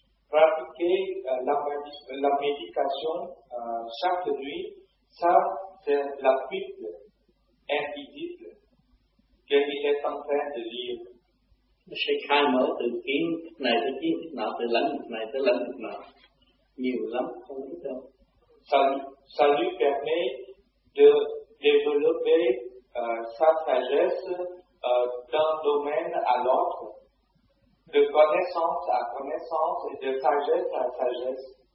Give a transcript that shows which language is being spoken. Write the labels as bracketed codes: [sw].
[fr] Pratiquer la méditation chaque nuit, ça c'est la Bible invisible que lui est en train de lire. [vi] Sẽ khai mở từ kiến này tới kiến nào, từ lãnh vực này tới lãnh vực nào, nhiều lắm không biết đâu. [fr] Ça lui permet de développer sa sagesse d'un domaine à l'autre, de connaissance à connaissance et de sagesse à sagesse.